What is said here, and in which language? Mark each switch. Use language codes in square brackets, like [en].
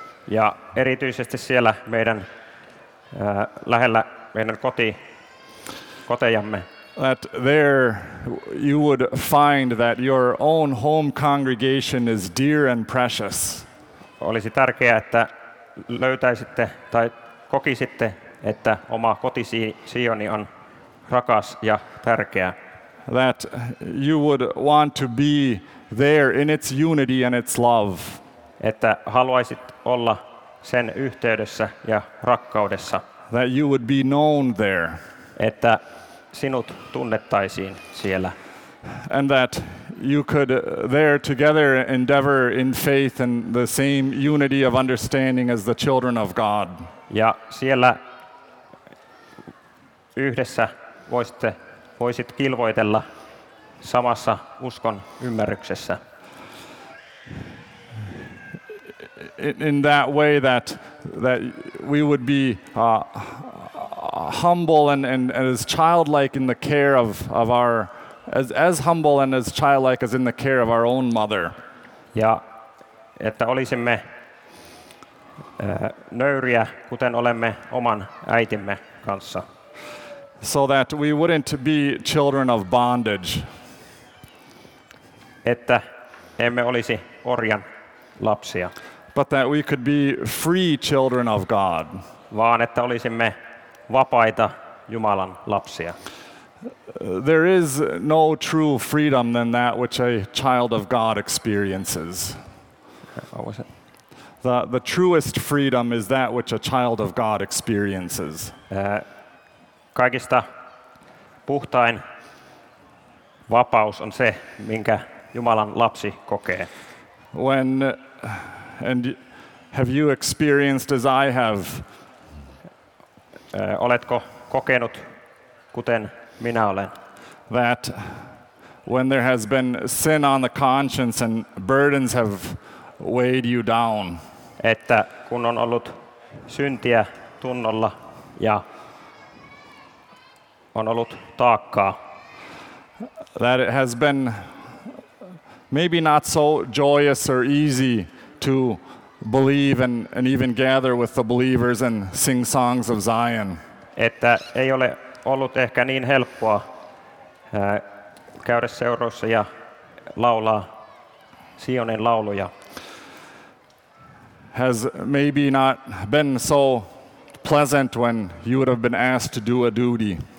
[fi] Ja erityisesti siellä meidän lähellä meidän kotejamme. [en] That there you would find that your own home congregation is dear and precious. [fi] Olisi tärkeää, että löytäisitte tai kokisitte, että oma kotisioni on rakas ja tärkeä. [en] That you would want to be there in its unity and its love. [fi] Että haluaisit olla sen yhteydessä ja rakkaudessa. [en] That you would be known there. [fi] Että sinut tunnettaisiin siellä. [en] And that you could there together endeavor in faith and the same unity of understanding as the children of God. [fi] Ja siellä yhdessä voisit kilvoitella samassa uskon ymmärryksessä. [en] In that way that we would be humble and as childlike in the care of our as humble and as childlike as in the care of our own mother. [fi] Ja että olisimme nöyriä, kuten olemme oman äitimme kanssa. [en] So that we wouldn't be children of bondage. [fi] Että emme olisi orjan lapsia. [en] But that we could be free children of God. [fi] Vaan että olisimme vapaita Jumalan lapsia. [en] There is no true freedom than that which a child of God experiences. What was it? The truest freedom is that which a child of God experiences. [fi] Kaikista puhtain vapaus on se, minkä Jumalan lapsi kokee. [en] When and have you experienced as I have? [fi] Oletko kokenut kuten minä olen? [en] That when there has been sin on the conscience and burdens have weighed you down. [fi] Että kun on ollut syntiä tunnolla ja on ollut taakkaa. [en] That it has been maybe not so joyous or easy to believe and even gather with the believers and sing songs of Zion. [fi] Että ei ole ollut ehkä niin helppoa käydä seurassa ja laulaa Sionin lauluja. [en] Has maybe not been so pleasant when you would have been asked to do a duty.